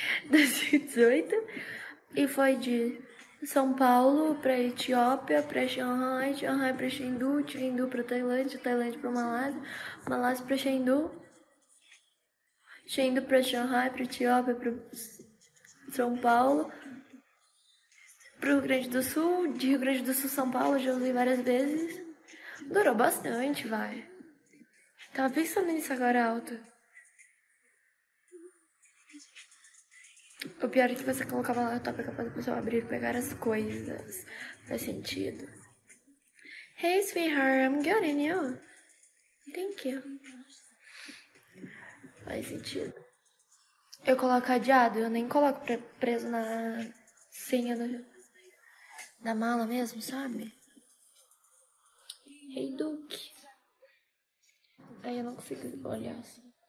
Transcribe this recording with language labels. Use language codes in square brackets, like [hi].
[pt] 2018. E foi de São Paulo pra Etiópia, pra Shanghai, Shanghai pra Chengdu, Chengdu pra Tailândia, Tailândia pra Malásia, Malásia pra Chengdu, Chengdu pra Shanghai, pra Etiópia, pra São Paulo, pro Rio Grande do Sul, de Rio Grande do Sul, São Paulo, já usei várias vezes. Durou bastante, vai. Tava pensando nisso agora alto. O pior é que você colocava lá no top, capaz da pessoa abrir e pegar as coisas. Faz sentido. [en] Hey, sweetheart, I'm good, and you? Thank you. [pt] Faz sentido. Eu coloco cadeado, eu nem coloco preso na senha da mala mesmo, sabe? [en] Hey, [pt] Duke. Aí eu não consigo olhar assim.